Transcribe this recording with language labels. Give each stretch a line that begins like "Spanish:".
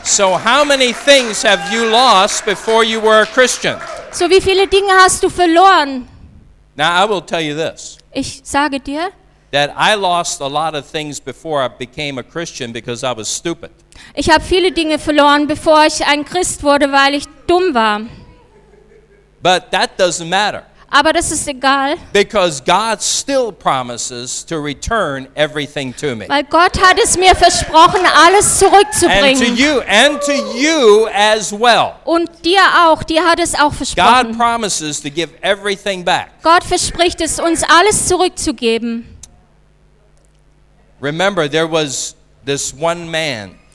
English: So how many things have you lost before you were a Christian?
German: So wie viele Dinge hast du verloren?
English: Now I will tell you this.
German: Ich sage dir,
English: that I lost a lot of things before I became a Christian because I was stupid.
German: Ich habe viele Dinge verloren, bevor ich ein Christ wurde, weil ich dumm war.
English: But that doesn't matter.
German: Aber das ist egal.
English: Because God still promises to return everything to me.
German: Weil Gott hat es mir versprochen, alles zurückzubringen.
English: And to you as well.
German: Und dir auch, dir hat es auch versprochen.
English: God promises to give everything back.
German: Gott verspricht es, uns alles zurückzugeben.
English: Remember, there was this one man